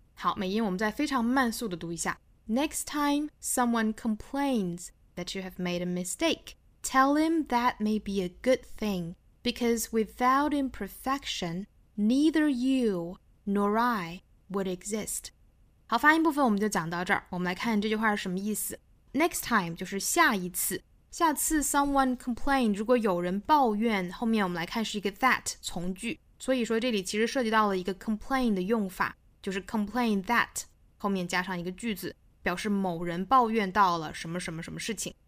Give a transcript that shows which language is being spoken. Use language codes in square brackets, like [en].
[zh] 好，美音我们再非常慢速的读一下。 [en] Next time someone complains that you have made a mistake, tell him that may be a good thing because without imperfection, neither you nor I would exist。 [zh] 好，发音部分我们就讲到这儿。我们来看这句话是什么意思。 [en] Next time [zh] 就是下一次。下次 [en] someone complain， [zh] 如果有人抱怨，后面我们来看是一个 that 从句，所以说这里其实涉及到了一个 complain 的用法，就是 complain that 后面加上一个句子，表示某人抱怨到了什么什么什么事情。